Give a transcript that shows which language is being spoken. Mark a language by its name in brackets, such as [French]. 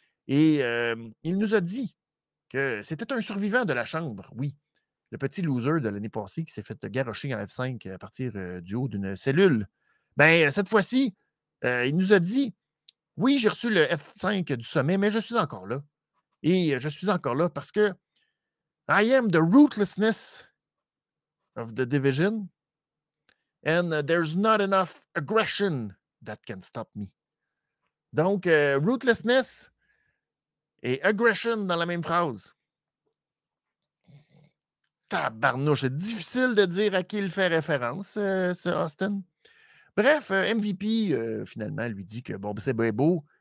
[French] Et il nous a dit que c'était un survivant de la chambre, oui. Le petit loser de l'année passée qui s'est fait garrocher en F5 à partir du haut d'une cellule. Cette fois-ci, il nous a dit, oui, j'ai reçu le F5 du sommet, mais je suis encore là. Et je suis encore là parce que [English] I am the ruthlessness of the division and there's not enough aggression that can stop me. [French] Donc, ruthlessness et aggression dans la même phrase. Tabarnouche, c'est difficile de dire à qui il fait référence, ce Austin. Bref, MVP, finalement, lui dit que c'est bien beau.